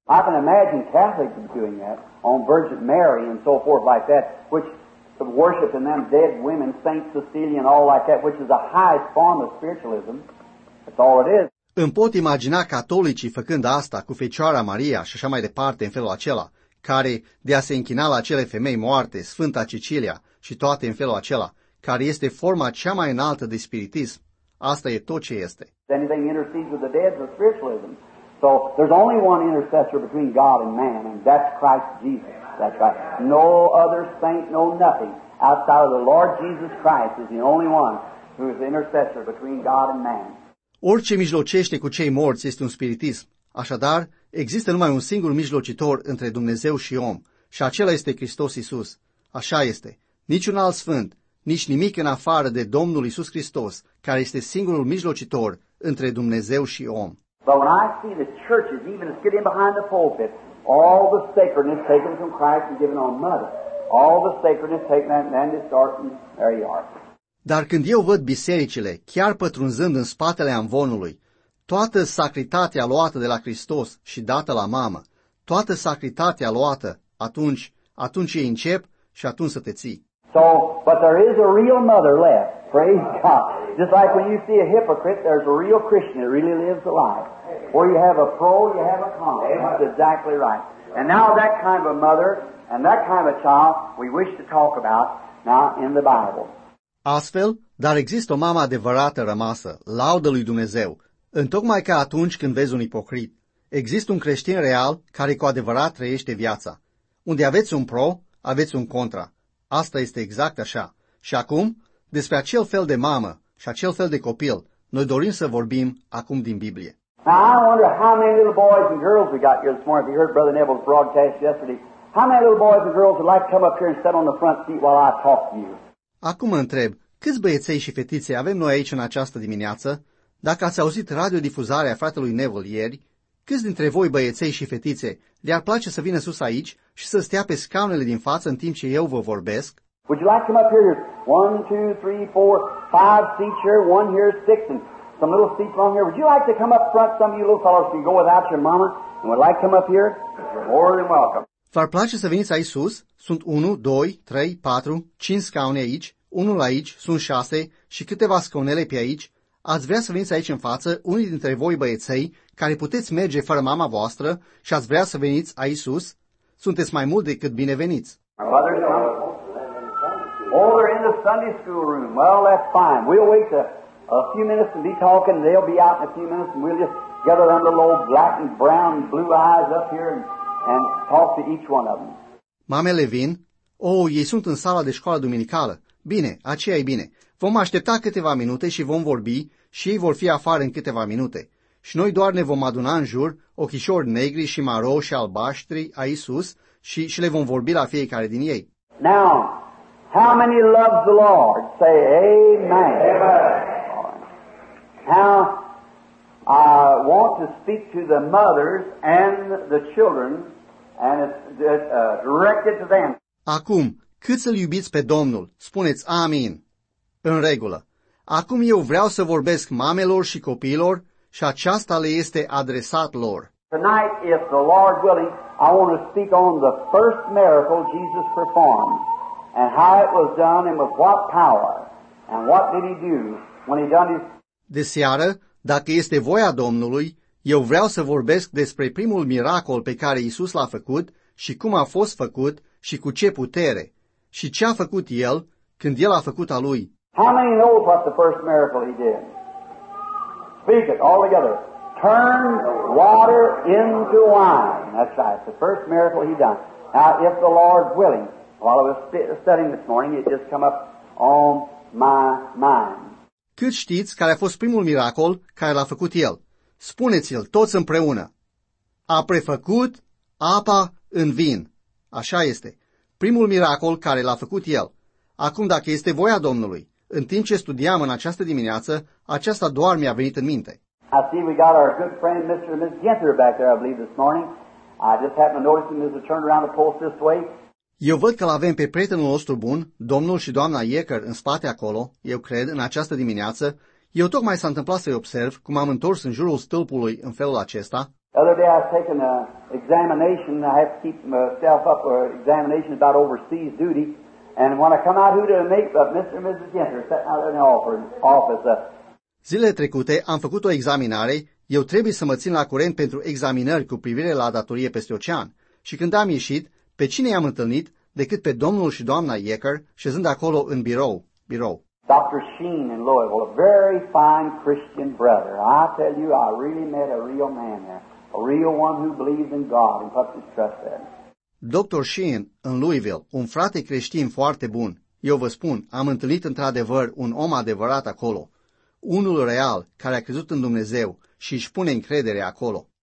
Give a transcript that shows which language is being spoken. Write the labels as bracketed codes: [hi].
[en] I can imagine Catholics doing that on Virgin Mary and so forth like that, which worship in them dead women, Saint Cecilia and all like that, which is the highest form of spiritualism. That's all it is. [ro] Îmi pot imagina catolicii făcând asta cu Fecioara Maria și așa mai departe în felul acela, care de a se închina la cele femei moarte, Sfânta Cecilia și toate în felul acela, care este forma cea mai înaltă de spiritism. Asta e tot ce este. [en] Anything intercedes with the dead is spiritualism. So there's only one intercessor between God and man, and that's Christ Jesus. That's right. No other saint, no nothing outside of the Lord Jesus Christ is the only one who is the intercessor between God and man. [ro] Orice mijlocește cu cei morți este un spiritism. Așadar, există numai un singur mijlocitor între Dumnezeu și om, și acela este Hristos Iisus. Așa este. Niciun alt sfânt, nici nimic în afară de Domnul Iisus Hristos, care este singurul mijlocitor între Dumnezeu și om. [en] But when I see the churches, even as getting behind the pulpit, all the sacredness taken from Christ and given on mother, all the sacredness taken that man is dark and there you are. [ro] Dar când eu văd bisericile, chiar pătrunzând în spatele amvonului, toată sacritatea luată de la Hristos și dată la mamă, toată sacritatea luată, atunci ei încep și atunci să te ții. [en] So, but there is a real mother left, praise God. Just like when you see a hypocrite, there's a real Christian that really lives a life. Where you have a pro, you have a con. That's exactly right. And now that kind of a mother and that kind of a child we wish to talk about now in the Bible. [ro] Astfel, dar există o mamă adevărată rămasă, laudă lui Dumnezeu. Întocmai ca atunci când vezi un ipocrit, există un creștin real care cu adevărat trăiește viața. Unde aveți un pro, aveți un contra. Asta este exact așa. Și acum, despre acel fel de mamă și acel fel de copil, Noi dorim să vorbim acum din Biblie. [en] Now I wonder how many little boys and girls we got here this morning. If you heard Brother Neville's broadcast yesterday, how many little boys and girls would like to come up here and sit on the front seat while I talk to you? [ro] Acum mă întreb, câți băieței și fetițe avem noi aici în această dimineață? Dacă ați auzit radiodifuzarea fratelui Neville ieri, câți dintre voi băieței și fetițe le-ar place să vină sus aici și să stea pe scaunele din față în timp ce eu vă vorbesc? [en] Would you like to come up here? One, two, three, four, five seats here, one here, six, and some little seats along here. Would you like to come up front, some of you little fellows, so you go without your mama, and would like to come up here? You're more than welcome. [ro] V-ar place să veniți aici sus? Sunt 1, 2, 3, 4, 5 scaune aici, unul aici, sunt 6 și câteva scaunele pe aici. Ați vrea să veniți aici în față, unii dintre voi băieței, care puteți merge fără mama voastră și ați vrea să veniți aici sus? Sunteți mai mult decât bineveniți. [en] They're in the Sunday school room. Well, that's fine. We'll wait a few minutes and be talking. They'll be out in a few minutes and we'll just gather under the old black and brown blue eyes up here and talk to each one of them. [ro] Mamele vin. Oh, ei sunt în sala de școală duminicală. Bine, aceea e bine. Vom aștepta câteva minute și vom vorbi și ei vor fi afară în câteva minute. Și noi doar ne vom aduna în jur ochișori negri și maro și albaștri aici sus și le vom vorbi la fiecare din ei. [en] Now, how many love the Lord? Say amen. Now, I want to speak to the mothers and the children and it's directed to them. [ro] Acum, cât să-L iubiți pe Domnul? Spuneți amin. În regulă. Acum eu vreau să vorbesc mamelor și copiilor și aceasta le este adresat lor. [en] Tonight, if the Lord willing, I want to speak on the first miracle Jesus performed and how it was done and with what power and what did he do when he done his... [ro] De seară, dacă este voia Domnului, eu vreau să vorbesc despre primul miracol pe care Iisus l-a făcut și cum a fost făcut și cu ce putere și ce a făcut El când El a făcut a Lui. [en] How many know what the first miracle he did? Speak it all together. Turn water into wine. That's right. The first miracle he done. Now, if the Lord's willing, while I was studying this morning, it just come up on my mind. [ro] Cât știți care a fost primul miracol care l-a făcut El? Spuneți-l toți împreună. A prefăcut apa în vin. Așa este. Primul miracol care l-a făcut El. Acum, dacă este voia Domnului, în timp ce studiam în această dimineață, aceasta doar mi-a venit în minte. [en] I see we got our good friend Mr. and Ms. Ginter back there, I believe, this morning. I just happened to notice him as he turned around the post this way. [ro] Eu văd că l-avem pe prietenul nostru bun, domnul și doamna Yecker, în spate acolo, eu cred, în această dimineață. Eu tocmai s-a întâmplat să-i observ cum am întors în jurul stâlpului în felul acesta. [en] The other day I was taking an examination. I have to keep myself up for examination about overseas duty. And when I come out, who did I meet but Mr. and Mrs. Ginter sitting out in the office. [ro] Zilele trecute am făcut o examinare. Eu trebuie să mă țin la curent pentru examinări cu privire la datorie peste ocean. Și când am ieșit, pe cine i-am întâlnit decât pe domnul și doamna Yecker, șezând acolo în birou. [en] Dr. Sheen in Louisville, a very fine Christian brother. I tell you, I really met a real man there. A real one who believes in God and puts his trust there. [ro] Dr. Sheen, în Louisville, un frate creștin foarte bun. Eu vă spun, am întâlnit într-adevăr un om adevărat acolo. Unul real, care a crezut în Dumnezeu și își pune încredere acolo.